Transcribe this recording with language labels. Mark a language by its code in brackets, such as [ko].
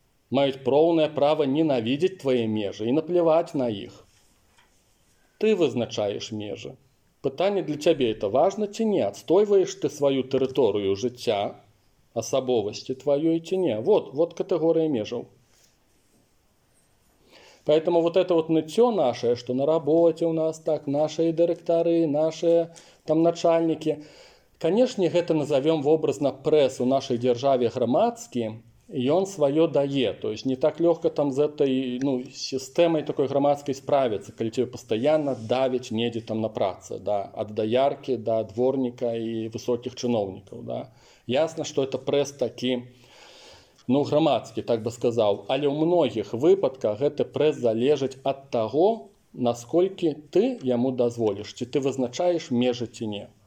[uk] Мають повне право ненавидіти твої межі і наплівати на їх. Ти визначаєш межі. Питання для тебе – це важно чи ні? Відстоюєш ти свою територію життя, особовості твоєї чи ні? От категорія межів. [ru] Поэтому вот это вот нытьё наше, что на работе у нас так, наши директоры, наши там начальники. Конечно, это назовём образно пресс у нашей державе громадский, и он своё даёт. То есть не так лёгко там с этой, ну, системой такой громадской справиться, когда тебе постоянно давят неде там на праце, да, от доярки до дворника и высоких чиновников, да. Ясно, что это пресс таки... [uk] Ну, громадський, так би сказав. Але у многих випадках це прес залежить від того, наскільки ти йому дозволиш, чи ти визначаєш межі чи ні.